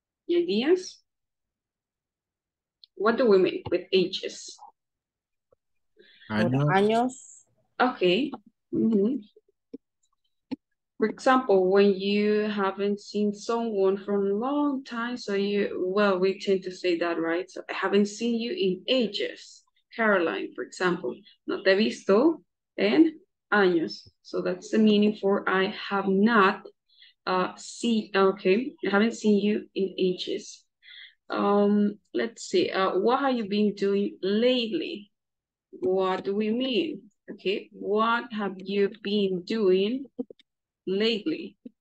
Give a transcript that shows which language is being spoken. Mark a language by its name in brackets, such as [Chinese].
[English] Ideas? What do we mean with ages? [Spanish] Años. [English] Okay. Mm-hmm. For example, when you haven't seen someone for a long time, we tend to say that, right? So I haven't seen you in ages. [Spanish] Caroline, [English] for example, [Spanish] no te he visto en años. [English] So that's the meaning for I have not I haven't seen you in ages. Let's see, what have you been doing lately? What do we mean? Okay, what have you been doing lately?